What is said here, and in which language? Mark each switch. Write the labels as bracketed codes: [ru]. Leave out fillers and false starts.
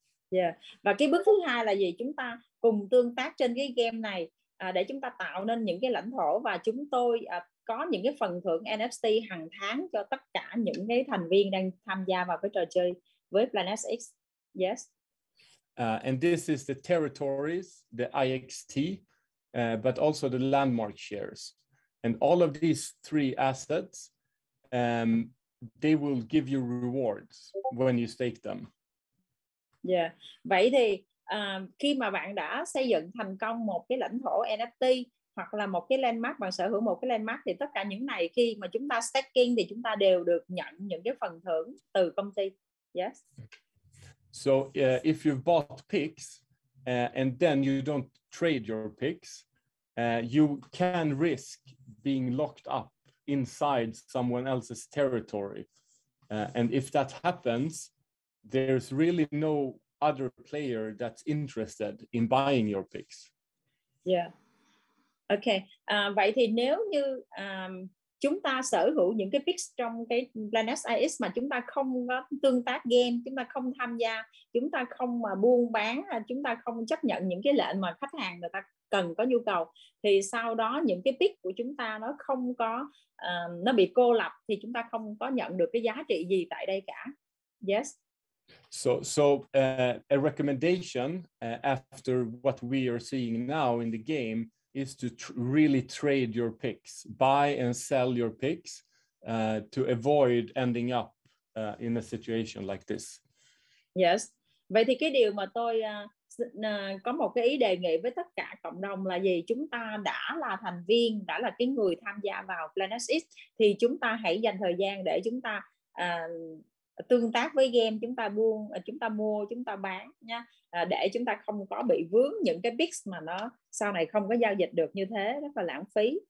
[en] Yeah. [vi] Và cái bước thứ hai là gì? Chúng ta cùng tương tác trên cái game này để chúng ta tạo nên những cái lãnh thổ và chúng tôi có những cái phần thưởng NFT hàng tháng cho tất cả những cái thành viên đang tham gia vào cái trò chơi với Planet X. [en] Yes. And this is the territories, the IXT, but also the landmark shares. And all of these three assets they will give you rewards when you stake them. Yeah. [vi] Vậy thì khi mà bạn đã xây dựng thành công một cái lãnh thổ NFT hoặc là một cái landmark, bạn sở hữu một cái landmark thì tất cả những này khi mà chúng ta staking thì chúng ta đều được nhận những cái phần thưởng từ công ty. [en] Yes. So if you've bought PIX and then you don't trade your PIX, you can risk being locked up inside someone else's territory, and if that happens, there's really no other player that's interested in buying your picks. Yeah. Okay. [vi] Vậy thì nếu như chúng ta sở hữu những cái picks trong cái Planet IX mà chúng ta không có tương tác game, chúng ta không tham gia, chúng ta không mà buôn bán, chúng ta không chấp nhận những cái lệnh mà khách hàng người ta cần có nhu cầu, thì sau đó những cái pick của chúng ta nó không có nó bị cô lập thì chúng ta không có nhận được cái giá trị gì tại đây cả. [en] Yes. So a recommendation after what we are seeing now in the game is to really trade your picks, buy and sell your picks to avoid ending up in a situation like this. Yes. [vi] Vậy thì cái điều mà tôi có một cái ý đề nghị với tất cả cộng đồng là gì? Chúng ta đã là thành viên, đã là cái người tham gia vào Planet X thì chúng ta hãy dành thời gian để chúng ta tương tác với game, chúng ta buôn, chúng ta mua, chúng ta bán nha, để chúng ta không có bị vướng những cái picks mà nó sau này không có giao dịch được như thế, rất là lãng phí.